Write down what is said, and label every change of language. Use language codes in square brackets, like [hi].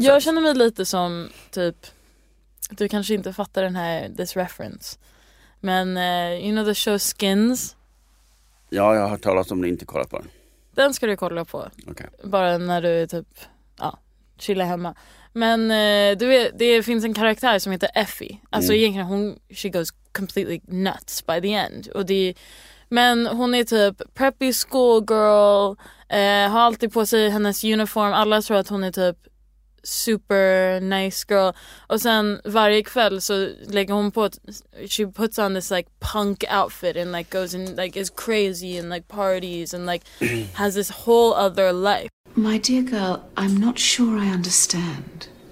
[sv] sätt. Jag känner mig lite som typ, du kanske inte fattar den här, [en] this reference. Men you know the show Skins? [sv] Ja, jag har talat om det, inte kollat på den. Den ska du kolla på. [en] Okay. [sv] Bara när du är typ, ja, chillar hemma. Men du vet, det finns en karaktär som heter Effie. Alltså egentligen hon, [en] she goes completely nuts by the end. [sv] Och det, men hon är typ preppy schoolgirl, har alltid på sig hennes uniform. Alla tror att hon är typ [en] super nice girl. [sv] Och sen varje kväll så lägger hon på, [en] she puts on this like punk outfit and like goes and like is crazy and like parties and like has this whole other life. My dear girl, I'm not sure I understand.